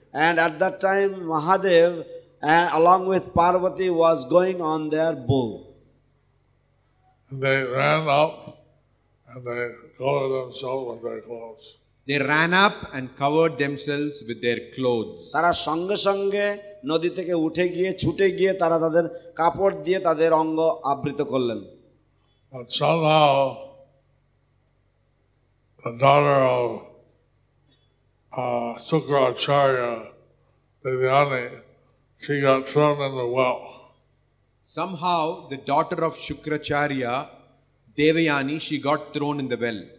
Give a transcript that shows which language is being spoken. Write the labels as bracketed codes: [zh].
[en] And at that time, Mahadev along with Parvati was going on their bull. They ran up and they covered themselves with their clothes. They ran up and covered themselves with their clothes. [bn] তারা সঙ্গে সঙ্গে নদী থেকে উঠে গিয়ে ছুটে গিয়ে তারা তাদের কাপড় দিয়ে তাদের অঙ্গ আবৃত করলেন [en] But somehow, the daughter of Sukracharya, Devyani, she got thrown in the well. Somehow, the daughter of Sukracharya, Devyani, she got thrown in the well.